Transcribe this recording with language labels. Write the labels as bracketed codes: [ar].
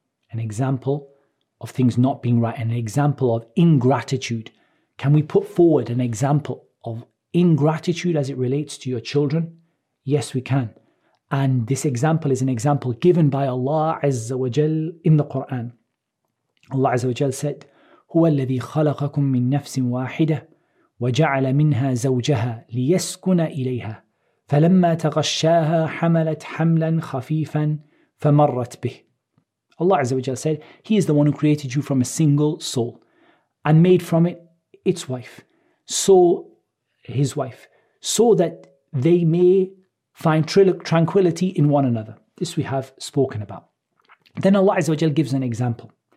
[en] An example of things not being right. An example of ingratitude. Can we put forward an example of ingratitude as it relates to your children? Yes, we can. And this example is an example given by Allah Azza wa Jal in the Quran. Allah Azza wa Jal said, [ar] هُوَ الَّذِي خَلَقَكُم مِّن نَفْسٍ وَاحِدَةٍ وَجَعَلَ مِنْهَا زَوْجَهَا لِيَسْكُنَ إِلَيْهَا فَلَمَّا تَغَشَّاهَا حَمَلَتْ حَمْلًا خَفِيفًا فَمَرَّتْ بِهِ. [en] Allah Azza wa Jal said, He is the one who created you from a single soul and made from it its wife, so his wife, so that they may find tranquility in one another. This we have spoken about. Then Allah Azza wa Jal gives an example.